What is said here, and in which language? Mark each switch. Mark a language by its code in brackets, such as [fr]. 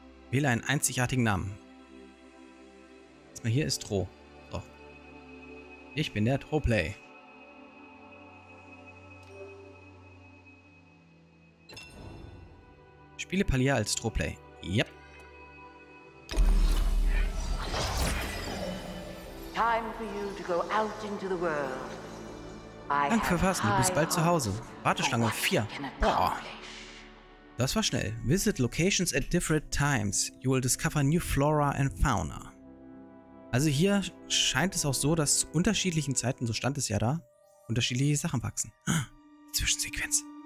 [de] Wähle einen einzigartigen Namen. Hier ist Tro. So. Ich bin der Troplay. Spiele Palier als Troplay. Yep. [en] Time for you to go out into the world. [de] Danke für Fasten, du bist bald zu Hause. Warteschlange 4. Boah. Das war schnell. [en] Visit locations at different times. You will discover new flora and fauna. [de] Also hier scheint es auch so, dass zu unterschiedlichen Zeiten, so stand es ja da, unterschiedliche Sachen wachsen. Ah, Zwischensequenz.